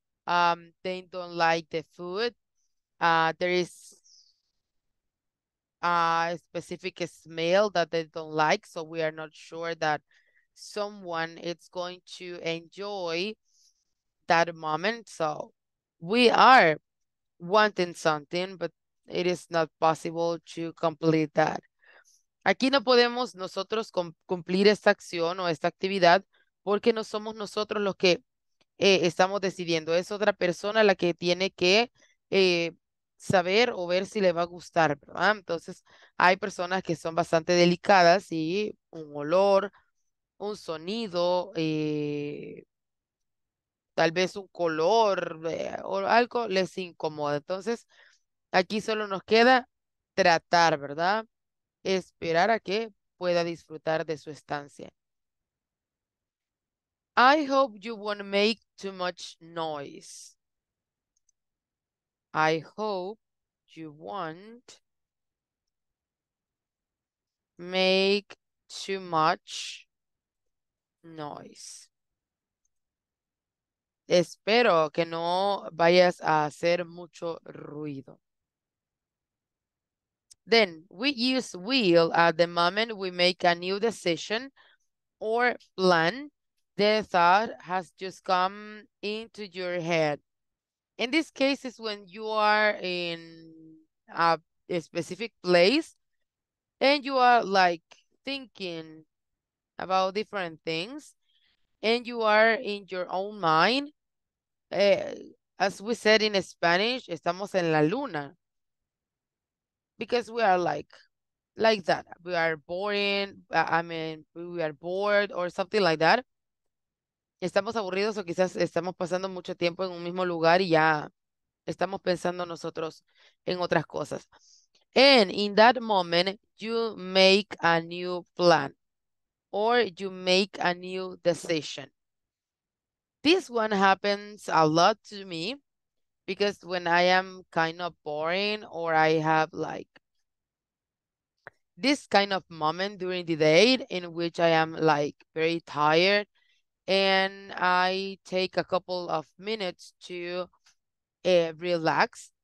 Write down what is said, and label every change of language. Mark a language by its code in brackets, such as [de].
[en] They don't like the food. There is a specific smell that they don't like, so we are not sure that someone is going to enjoy that moment. So we are wanting something, but it is not possible to complete that. [es] Aquí no podemos nosotros cumplir esta acción o esta actividad porque no somos nosotros los que estamos decidiendo. Es otra persona la que tiene que saber o ver si le va a gustar, ¿verdad? Entonces hay personas que son bastante delicadas y un olor, un sonido, tal vez un color o algo les incomoda. Entonces, aquí solo nos queda tratar, ¿verdad? Esperar a que pueda disfrutar de su estancia. [en] I hope you won't make too much noise. I hope you won't make too much noise. [es] Espero que no vayas a hacer mucho ruido. [en] Then we use will at the moment we make a new decision or plan. The thought has just come into your head. In this case, it's when you are in a specific place and you are like thinking about different things, and you are in your own mind. As we said in Spanish, [es] estamos en la luna. [en] Because we are like that. We are boring, I mean, we are bored or something like that. [es] Estamos aburridos o quizás estamos pasando mucho tiempo en un mismo lugar y ya estamos pensando nosotros en otras cosas. [en] And in that moment, you make a new plan. Or you make a new decision. This one happens a lot to me because when I am kind of boring or I have like this kind of moment during the day in which I am like very tired and I take a couple of minutes to relax.